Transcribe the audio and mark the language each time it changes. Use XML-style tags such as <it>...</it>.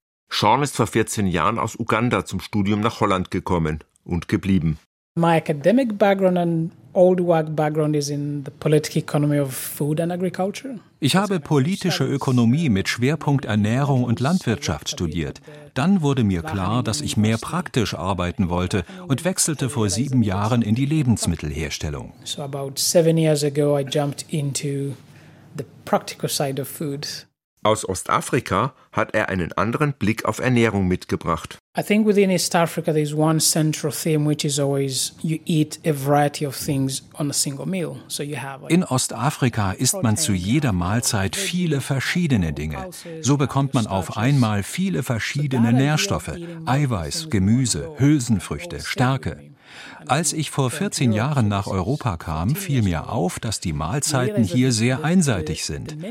<de>Sean ist vor 14 Jahren aus Uganda zum Studium nach Holland gekommen und geblieben.</de> <en>My academic background and old work background is in the political economy of food and agriculture.</en> <de>Ich habe politische Ökonomie mit Schwerpunkt Ernährung und Landwirtschaft studiert. Dann wurde mir klar, dass ich mehr praktisch arbeiten wollte und wechselte vor 7 Jahren in die Lebensmittelherstellung.</de> <en>So about 7 years ago I jumped into the practical side of food.</en> <de>Aus Ostafrika hat er einen anderen Blick auf Ernährung mitgebracht.</de> <en>I think within East Africa there is one central theme which is always you eat a variety of things on a single meal. So you have</en> <de>In Ostafrika isst man zu jeder Mahlzeit viele verschiedene Dinge. So bekommt man auf einmal viele verschiedene Nährstoffe, Eiweiß, Gemüse, Hülsenfrüchte, Stärke. Als ich vor 14 Jahren nach Europa kam, fiel mir auf, dass die Mahlzeiten hier sehr einseitig sind.</de>